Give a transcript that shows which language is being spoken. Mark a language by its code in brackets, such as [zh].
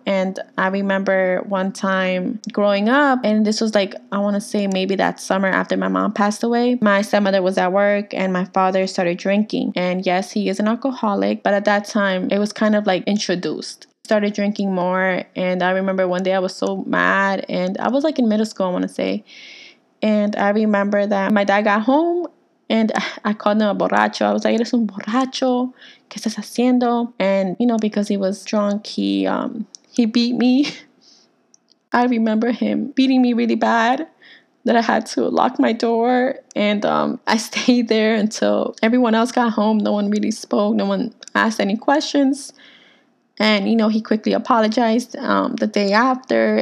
[en] And I remember one time growing up, and this was like, I want to say maybe that summer after my mom passed away, my stepmother was at work and my father started drinking. And yes, he is an alcoholic, but at that time, it was kind of like introduced. Started drinking more, and I remember one day I was so mad, and I was like in middle school, I want to say, and I remember that my dad got home and I called him a borracho. I was like, [es] eres un borracho, ¿qué estás haciendo? [en] And you know, because he was drunk, he beat me. I remember him beating me really bad that I had to lock my door, and I stayed there until everyone else got home. No one really spoke, no one asked any questions. And, you know, he quickly apologized the day after.